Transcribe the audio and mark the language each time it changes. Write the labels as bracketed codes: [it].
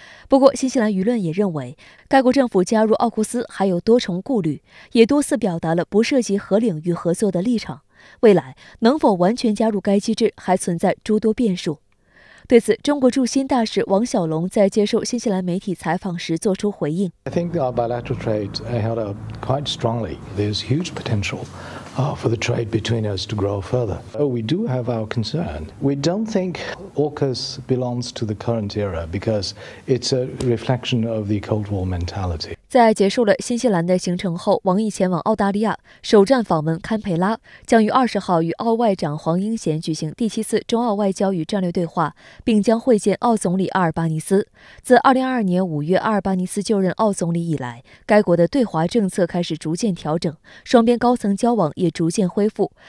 [zh] 不过新西兰舆论也认为该国政府加入奥库斯还有多重顾虑，也多次表达了不涉及核领域合作的立场，未来能否完全加入该机制还存在诸多变数。对此，中国驻新大使王小龙在接受新西兰媒体采访时作出回应。 [en] I think our bilateral trade held up quite strongly. There's huge potential for the trade between us to grow further. But we do have our concern. We don't think AUKUS belongs to the current era because it's a reflection of the Cold War mentality. [zh] 在结束了新西兰的行程后，王毅前往澳大利亚，首站访问堪培拉，将于20号与澳外长黄英贤举行第七次中澳外交与战略对话，并将会见澳总理阿尔巴尼斯。自2022年5月阿尔巴尼斯就任澳总理以来，该国的对华政策开始逐渐调整，双边高层交往也逐渐恢复。